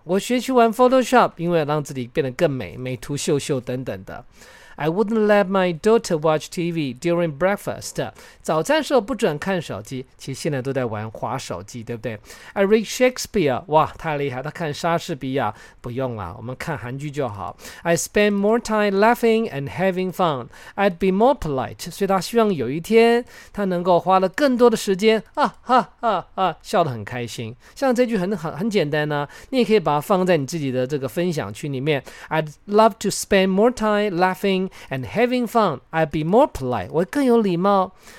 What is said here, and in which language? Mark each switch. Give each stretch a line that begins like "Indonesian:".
Chinese: 我学习玩 Photoshop， 因为让自己变得更美，美图秀秀等等的。
English: I wouldn't let my daughter watch TV during breakfast.
Chinese: 早餐时候不准看手机，其实现在都在玩滑手机，对不对？
English: I read Shakespeare.
Chinese: 哇，太厉害，他看莎士比亚。不用了，我们看韩剧就好。
English: I spend more time laughing and having fun. I'd be more polite.
Chinese: 所以他希望有一天他能够花了更多的时间，笑得很开心。像这句 很简单啊，你也可以把它放在你自己的这个分享区里面。
English: I'd love to spend more time laughingand having fun. I'd be more polite.
Chinese: 我更有礼貌。